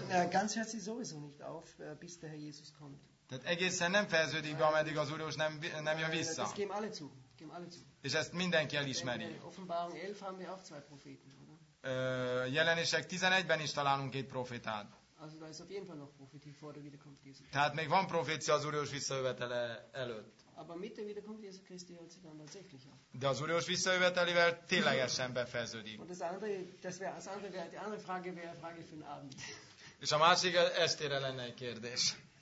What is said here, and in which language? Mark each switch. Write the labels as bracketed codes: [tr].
[de] Ganz hört sie sowieso nicht auf, bis der Herr Jesus kommt. [hu] Tehát egészen nem fejeződik be, ameddig az Úr Jézus nem jön vissza. [de] Das geben alle zu. Geben alle zu. [hu] És ezt mindenki elismeri. [de] Offenbarung 11 haben wir auch zwei Propheten, oder? [hu] Jelenések 11-ben is találunk két profétát. [de] Also da ist auf jeden Fall noch Prophetie vor der Wiederkunft Jesu. [hu] Tehát még van profécia az Úr Jézus visszajövetele előtt. [de] Aber mit der Wiederkunft Jesu Christi hört sie dann tatsächlich auf. [hu] De az Úr Jézus visszajövetelével ténylegesen befejeződik. [de] Und das andere Frage wäre eine Frage für den Abend. [hu] És a másik estére lenne egy kérdés.